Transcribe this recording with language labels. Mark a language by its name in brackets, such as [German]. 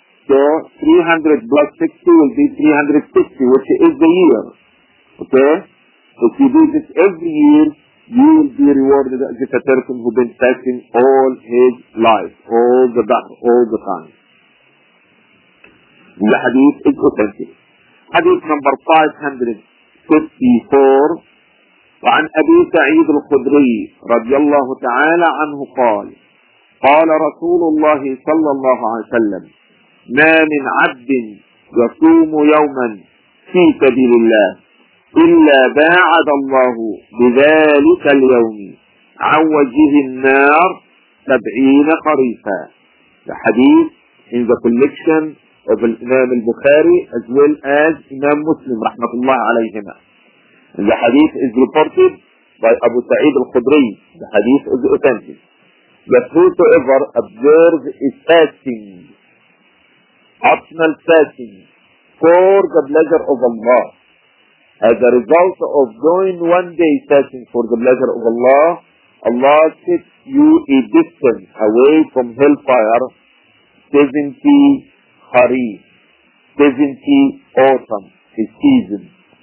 [English] So 300 plus 60 will be 360, which is the year. Okay? If you do this every year, you will be rewarded as a person who has been fasting all his life, all the time. The hadith is authentic. Hadith number 554. [Arabic] وعن أبي سعيد الخدري رضي الله تعالى عنه قال قال رسول الله صلى الله عليه وسلم ما من عبد يصوم يوما في سبيل الله إلا باعد الله بذلك اليوم عن وجهه النار 70 خريفا. [English] The hadith in the collection of Imam al-Bukhari as well as Imam Muslim rahmatullah alayhim. And the hadith is reported by Abu Sa'id al-Khudri. The hadith is authentic. That whosoever observes a fasting, optional fasting, for the pleasure of Allah, as a result of doing one day fasting for the pleasure of Allah, Allah sets you a distance away from hellfire 70 kharif, 70 autumn, a season.